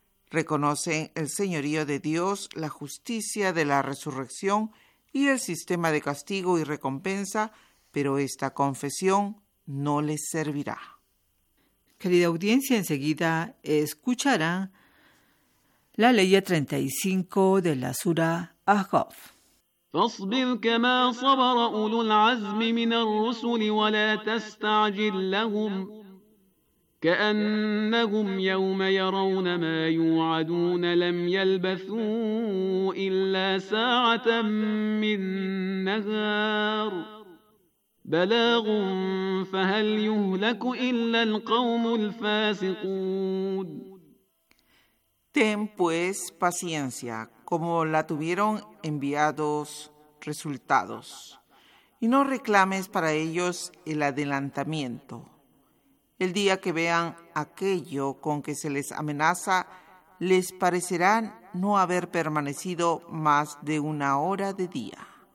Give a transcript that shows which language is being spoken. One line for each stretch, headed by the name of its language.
Spanish: Reconocen el señorío de Dios, la justicia de la resurrección y el sistema de castigo y recompensa, pero esta confesión no les servirá. Querida audiencia, enseguida escucharán la ley 35 de la sura Ahqaf.
Arabic: فاصبر كما صبر أولو العزم من الرسل ولا تستعجل لهم كأنهم يوم يرون ما يوعدون لم يلبثوا إلا ساعة من نهار بلاغ فهل يهلك إلا القوم الفاسقون.
Spanish: Ten pues paciencia como la tuvieron enviados resultados, y no reclames para ellos el adelantamiento. El día que vean aquello con que se les amenaza, les parecerá no haber permanecido más de una hora de día.